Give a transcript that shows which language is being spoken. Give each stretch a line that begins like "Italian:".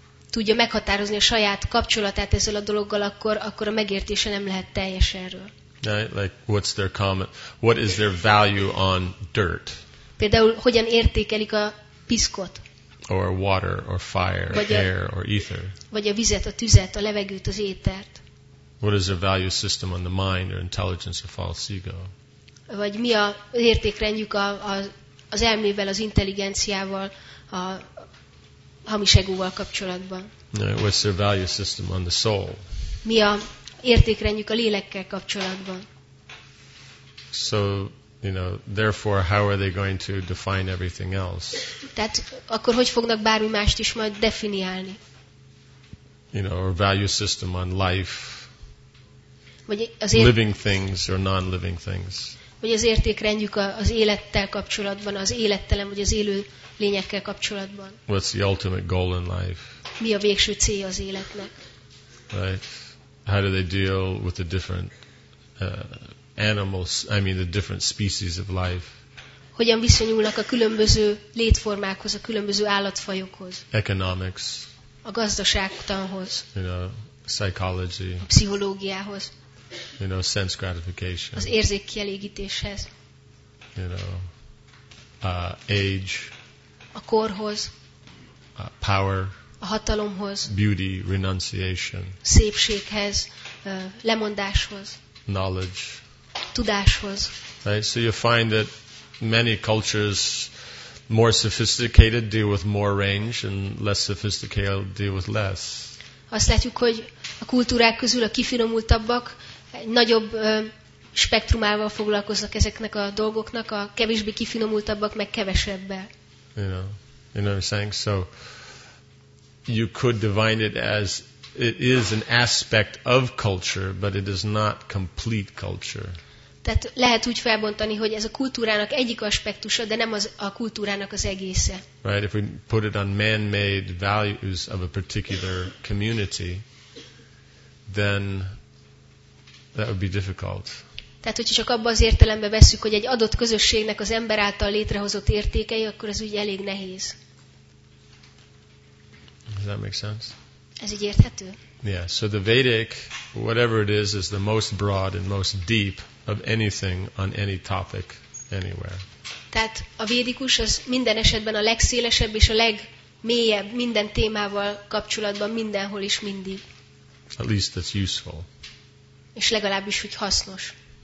Hungarian: tudja meghatározni a saját kapcsolatát ezzel a dologgal, akkor a megértése nem lehet teljes erről.
English: Right? Like what's their comment? What is their value on dirt?
Hungarian: Például hogyan értékelik a piszkot?
English: Or water, or fire, vagy air, or ether.
Hungarian: Vagy a vizet, a tüzet, a levegőt, az étert.
English: What is their value system on the mind or intelligence or false ego?
Hungarian: Vagy mi a értékrendjük az elmével, az intelligenciával, a hamis egóval kapcsolatban.
English: What's their value system on the soul?
Hungarian: Mi a értékrendjük a lélekkel kapcsolatban?
English: So, you know, therefore, how are they going to define everything else?
Hungarian: Tehát akkor hogy fognak bármi mást is majd definiálni?
English: You know, our value system on life.
Hungarian: Vagy az
English: living things or non-living things.
Hungarian: Vagy az értékrendjük az élettel kapcsolatban, az élettelen vagy az élő lényekkel kapcsolatban.
English: What's the ultimate goal in life?
Hungarian: Mi a végső célja az életnek?
English: Right. How do they deal with the different animals, I mean the different species of life?
Hungarian: Hogyan viszonyulnak a különböző létformákhoz, a különböző állatfajokhoz?
English: Economics.
Hungarian: A gazdaságtanhoz.
English: You know, psychology.
Hungarian: A pszichológiához.
English: You know, sense gratification.
Hungarian: Az érzékkielégítéshez.
English: You know, age.
Hungarian: A korhoz.
English: Power.
Hungarian: A hatalomhoz.
English: Beauty, renunciation.
Hungarian: Szépséghez, lemondáshoz.
English: Knowledge.
Hungarian: Tudáshoz.
English: Right, so you find that many cultures more sophisticated deal with more range and less sophisticated deal with less.
Hungarian: Azt látjuk, hogy a kultúrák közül a kifinomultabbak egy nagyobb spektrumával foglalkoznak ezeknek a dolgoknak, a kevésbé kifinomultabbak meg kevesebbel.
English: You know what I'm saying? So you could define it as it is an aspect of culture, but it is not complete culture.
Hungarian: Tehát lehet úgy felbontani, hogy ez a kultúrának egyik aspektusa, de nem az a kultúrának az egésze.
English: Right, if we put it on man-made values of a particular community, then that would be difficult.
Hungarian: Tehát, hogyha csak abban az értelembe veszük, hogy egy adott közösségnek az ember által létrehozott értékei, akkor ez úgy elég nehéz.
English: Does that make sense?
Hungarian: Ez így érthető?
English: Yeah, so the Vedic, whatever it is the most broad and most deep of anything on any topic anywhere.
Hungarian: Tehát a védikus az minden esetben a legszélesebb és a legmélyebb minden témával kapcsolatban mindenhol is mindig.
English: At least that's useful.
Hungarian: És legalábbis, hogy hasznos.